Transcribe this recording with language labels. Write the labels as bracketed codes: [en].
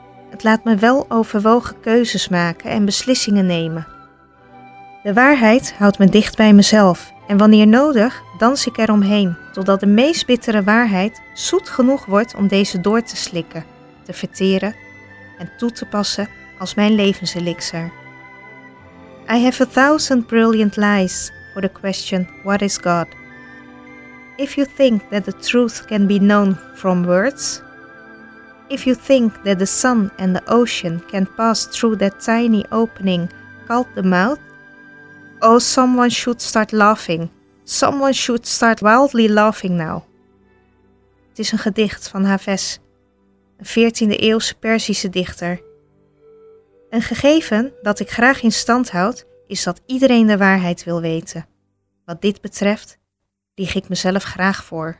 [nl] Het laat me wel overwogen keuzes maken en beslissingen nemen. De waarheid houdt me dicht bij mezelf en wanneer nodig dans ik eromheen, totdat de meest bittere waarheid zoet genoeg wordt om deze door te slikken, te verteren en toe te passen als mijn levenselixer. [en] I have 1000 brilliant lies for the question, what is God? If you think that the truth can be known from words, if you think that the sun and the ocean can pass through that tiny opening cult the mouth? Oh, someone should start laughing. Someone should start wildly laughing now. [nl] Het is een gedicht van Hafez, een 14e eeuwse Perzische dichter. Een gegeven dat ik graag in stand houd, is dat iedereen de waarheid wil weten. Wat dit betreft, lieg ik mezelf graag voor.